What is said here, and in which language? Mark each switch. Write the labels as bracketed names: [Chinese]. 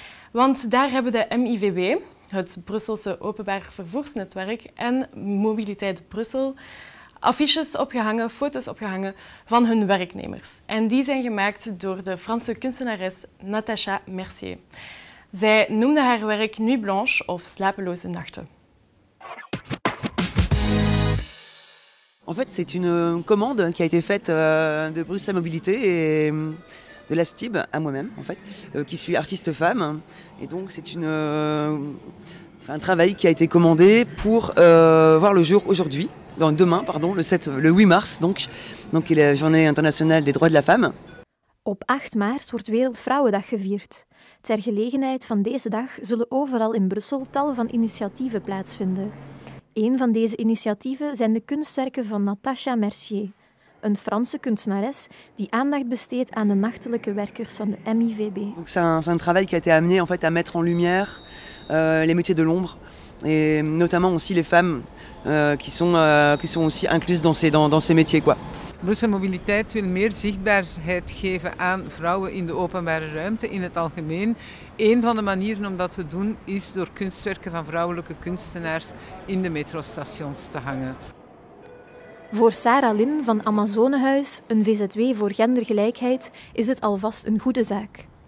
[Dutch] Want daar hebben de MIVB, het Brusselse Openbaar Vervoersnetwerk en Mobiliteit Brussel, affiches opgehangen, foto's opgehangen van hun werknemers. En die zijn gemaakt door de Franse kunstenares Natacha Mercier. Zij noemde haar werk Nuit Blanche of Slapeloze Nachten. [French] En fait, c'est une commande qui a été faite de Bruxelles Mobilité et de la STIB à moi-même, en fait, qui suis artiste femme. Et donc, c'est une, un travail qui a été commandé pour voir le jour aujourd'hui, demain, pardon, le 8 mars, donc qui est la journée internationale des droits de la femme. [Dutch] Op 8 mars wordt Wereldvrouwendag gevierd. Ter gelegenheid van deze dag zullen overal in Brussel tal van initiatieven plaatsvinden. Een van deze initiatieven zijn de kunstwerken van Natacha Mercier, een Franse kunstenares die aandacht besteedt aan de nachtelijke werkers van de MIVB. [French] Donc c'est un travail qui a été amené en fait à mettre en lumière les métiers de l'ombre et notamment aussi les femmes qui sont aussi incluses dans ces métiers quoi. [Dutch] Brussel Mobiliteit wil meer zichtbaarheid geven aan vrouwen in de openbare ruimte in het algemeen. Een van de manieren om dat te doen is door kunstwerken van vrouwelijke kunstenaars in de metrostations te hangen. Voor Sarah Lin van Amazonehuis, een VZW voor gendergelijkheid, is het alvast een goede zaak.